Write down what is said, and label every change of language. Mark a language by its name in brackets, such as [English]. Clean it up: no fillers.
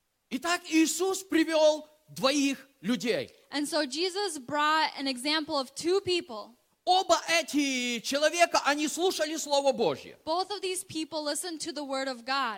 [Russian] Итак, Иисус привел двоих людей. [English] And so Jesus brought an example of two people. [Russian] Оба эти человека, они слушали Слово Божье. [English] Both of these people listened to the word of God.